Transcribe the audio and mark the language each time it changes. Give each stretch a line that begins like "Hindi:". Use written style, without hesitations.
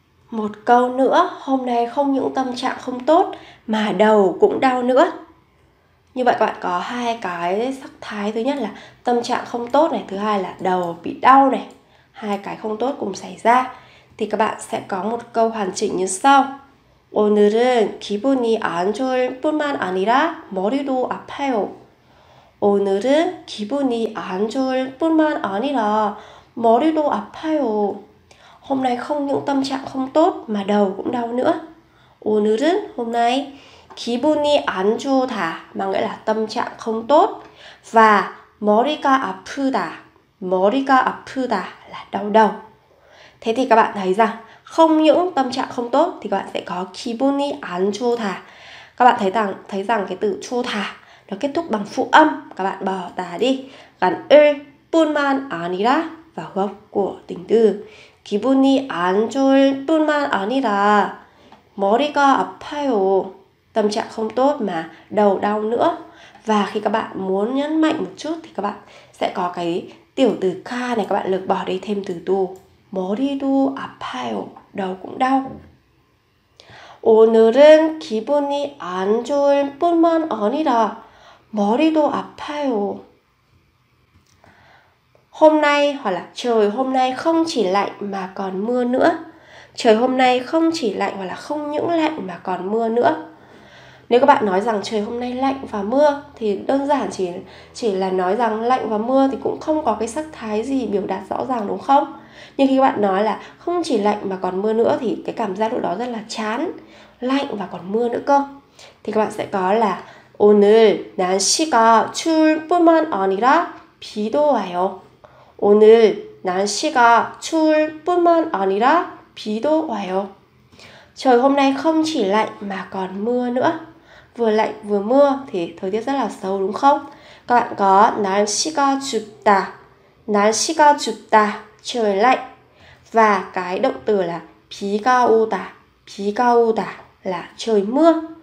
Vietnamese: Một câu nữa, hôm nay không những tâm trạng không tốt mà đầu cũng đau nữa. Như vậy các bạn có hai cái sắc thái, thứ nhất là tâm trạng không tốt này, thứ hai là đầu bị đau này, hai cái không tốt cùng xảy ra. Thì các bạn sẽ có một câu hoàn chỉnh như sau.
Korean: 오늘은 기분이 안 좋을 뿐만 아니라 머리도 아파요. 오늘은 기분이 안 좋을 뿐만 아니라 머리도 아파요.
Vietnamese: Hôm nay không những tâm trạng không tốt mà đầu cũng đau nữa.
Korean: 오늘은
Vietnamese: hôm nay
Korean: 기분이 안 좋다
Vietnamese: mà nghĩa là tâm trạng không tốt, và
Korean: 머리가 아프다, 머리가 아프다
Vietnamese: là đau đầu. Thế thì các bạn thấy rằng không những tâm trạng không tốt thì các bạn sẽ có
Korean: 기분이 안 좋다.
Vietnamese: Các bạn thấy rằng cái từ
Korean: 좋다
Vietnamese: nó kết thúc bằng phụ âm, các bạn bỏ tà đi, gắn
Korean: 을 뿐만 아니라
Vietnamese: vào gốc của tính từ.
Korean: 기분이 안 좋을 뿐만 아니라 머리가 아파요,
Vietnamese: tâm trạng không tốt mà đầu đau nữa. Và khi các bạn muốn nhấn mạnh một chút thì các bạn sẽ có cái tiểu từ 가 này, các bạn lược bỏ đi thêm từ 도,
Korean: 머리도 아파요,
Vietnamese: đầu cũng đau.
Korean: 오늘은 기분이 안 좋을 뿐만 아니라 머리도 아파요.
Vietnamese: Hôm nay hoặc là trời hôm nay không chỉ lạnh mà còn mưa nữa. Trời hôm nay không chỉ lạnh hoặc là không những lạnh mà còn mưa nữa. Nếu các bạn nói rằng trời hôm nay lạnh và mưa thì đơn giản chỉ là nói rằng lạnh và mưa thì cũng không có cái sắc thái gì biểu đạt rõ ràng đúng không? Nhưng khi các bạn nói là không chỉ lạnh mà còn mưa nữa thì cái cảm giác lúc đó rất là chán, lạnh và còn mưa nữa cơ. Thì các bạn sẽ có là
Korean: 오늘 날씨가 추울 뿐만 아니라 비도 와요. 오늘 날씨가 추울 뿐만 아니라 비도 와요.
Vietnamese: Trời hôm nay không chỉ lạnh mà còn mưa nữa. Vừa lạnh vừa mưa thì thời tiết rất là xấu đúng không? Các bạn có
Korean: 날씨가 춥다, 날씨가 춥다,
Vietnamese: trời lạnh, và cái động từ là
Korean: 비가 오다, 비가 오다
Vietnamese: là trời mưa.